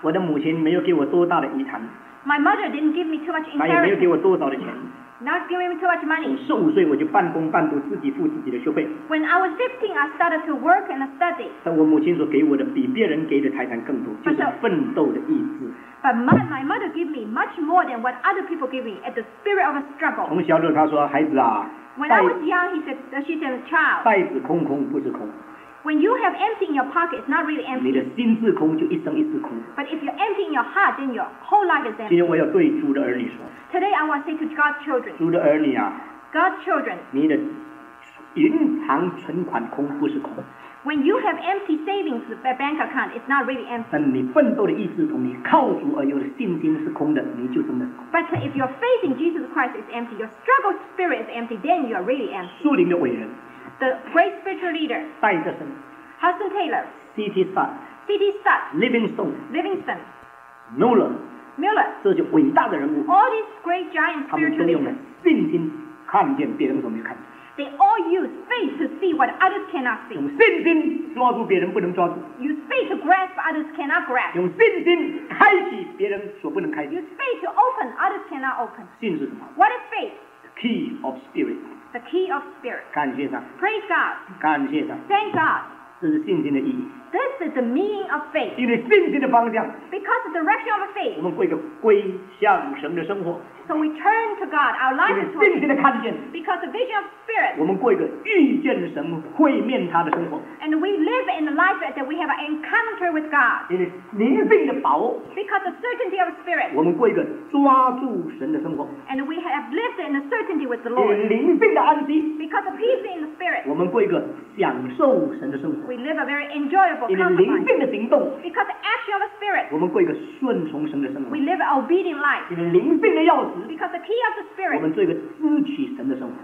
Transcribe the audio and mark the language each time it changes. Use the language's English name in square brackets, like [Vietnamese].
[Chinese] 我的母亲没有给我多大的遗产。 [English] My mother didn't give me too much inheritance. [Chinese] 她也没有给我多少的钱。 [English] Not giving me too much money. [Chinese] 十五岁我就半工半读，自己付自己的学费。 [English] When I was 15, I started to work and study. [Chinese] 但我母亲所给我的比别人给的财产更多，就是奋斗的意志。 [English] But my mother gave me much more than what other people gave me at the spirit of a struggle. [Chinese] 从小就她说，孩子啊。 [English] When I was young, she said, child. [Chinese] 袋子空空不是空。 [English] When you have empty in your pocket, it's not really empty. [Chinese] 你的心自空，就一生一世空。 [English] But if you're empty in your heart, then your whole life is empty. [Chinese] 今天我要对主的儿女说。 [English] Today I want to say to God's children. [Chinese] 主的儿女啊。 [English] God's children. [Chinese] 你的银行存款空不是空。 [English] When you have empty savings bank account, it's not really empty. [Chinese] 但你奋斗的意志同你靠主而有的信心是空的，你就真的。 [English] But if your faith in Jesus Christ is empty, your struggle spirit is empty, then you are really empty. [Chinese] 树林的伟人。 [English] The great spiritual leader. [Chinese] 戴德森。 [English] Hudson Taylor. C.T. Studd. C.T. Studd. Livingstone. Livingston. Mueller. Mueller. [Chinese] 这就伟大的人物。 [English] All these great giant spiritual leaders. [Chinese] 他们都用了信心看见别人所没看见。 [English] They all use faith to see what others cannot see. [Chinese] 用信心抓住别人不能抓住。 [English] Use faith to grasp others cannot grasp. [Chinese] 用信心开启别人所不能开启。 [English] Use faith to open others cannot open. [Chinese] 信是什么？ [English] What is faith? The key of spirit. The key of spirit. [Chinese] 感谢他。 [English] Praise God. [Chinese] 感谢他。 [English] Thank God. [Chinese] 这是信心的意义。 [English] This is the meaning of faith. [Chinese] 因为信心的方向。 [English] Because the direction of faith. [Chinese] 我们过一个归向神的生活。 [English] So we turn to God, our life is through him. Because the vision of spirit. [Chinese] 我们过一个遇见神会面他的生活。 [English] And we live in the life that we have an encounter with God. [Chinese] 因为灵命的把握。 [English] Because the certainty of spirit. [Chinese] 我们过一个抓住神的生活。 [English] And we have lived in the certainty with the Lord. [Chinese] 灵命的安息。 [English] Because of peace in the spirit. [Chinese] 我们过一个享受神的生活。 [English] We live a very enjoyable, comfortable life. [Chinese] 灵命的行动。 [English] Because the action of the spirit. [Chinese] 我们过一个顺从神的生活。 [English] We live an obedient life. [Chinese] 因为灵命的钥匙。 [English] Because the key of the spirit, [Chinese] 我们做一个支取神的生活。